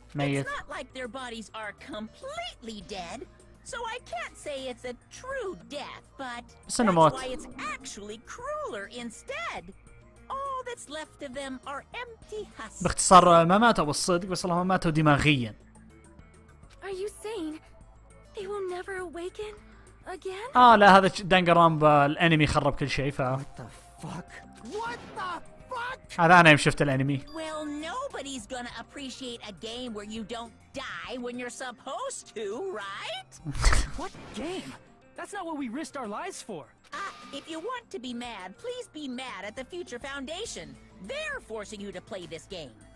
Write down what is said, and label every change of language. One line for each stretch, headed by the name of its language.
English: It's not like their bodies are completely dead, so I can't say it's a true death, but that's why it's actually crueler instead. All that's left of them are empty husks.
Arabic: باختصار ما ماتوا بالصدق بس اللهم ماتوا دماغيا.
English: Are you saying they will never awaken?
Arabic: اه لا هذا دنقنرونبا الانمي خرب كل شيء ف هذا انا يوم شفت الانمي
English: Well nobody's gonna appreciate a game where you don't die when you're supposed to right What game That's not what we risked our lives for If you want to be mad please be mad at the Future Foundation They're forcing you to play this game